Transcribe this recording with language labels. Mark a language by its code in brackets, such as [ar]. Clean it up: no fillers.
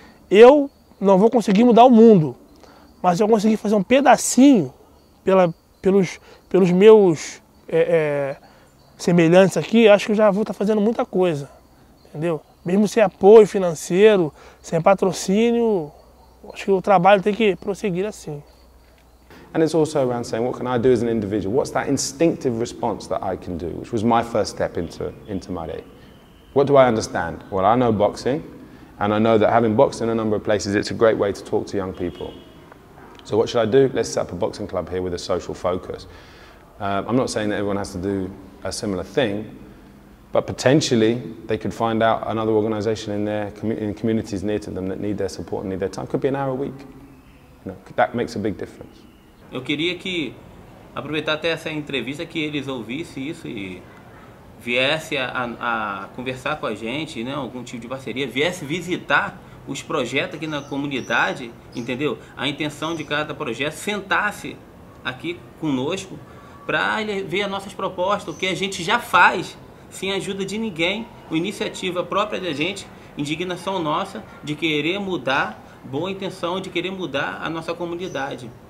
[pt] Eu não vou conseguir mudar o mundo, mas eu consegui fazer um pedacinho pelos meus semelhantes aqui, acho que eu já vou estar fazendo muita coisa, entendeu? Mesmo sem apoio financeiro, sem patrocínio, acho que o trabalho tem que prosseguir assim. [en] And it's also around saying, what can I do as an individual? What's that instinctive response that I can do, which was my first step into Mare? What do I understand? Well, I know boxing, and I know that having boxed in a number of places, it's a great way to talk to young people. So what should I do? Let's set up a boxing club here with a social focus. I'm not saying that everyone has to do a similar thing, but potentially they could find out another organization in their communities near to them that need their support and need their time. Could be an hour a week. You know, that makes a big difference. [pt] Eu queria que aproveitar até essa entrevista que eles ouvissem isso e viesse a conversar com a gente, né, algum tipo de parceria, viesse visitar os projetos aqui na comunidade, entendeu? A intenção de cada projeto, sentasse aqui conosco para ver as nossas propostas, o que a gente já faz sem ajuda de ninguém, com iniciativa própria da gente, indignação nossa de querer mudar, boa intenção de querer mudar a nossa comunidade.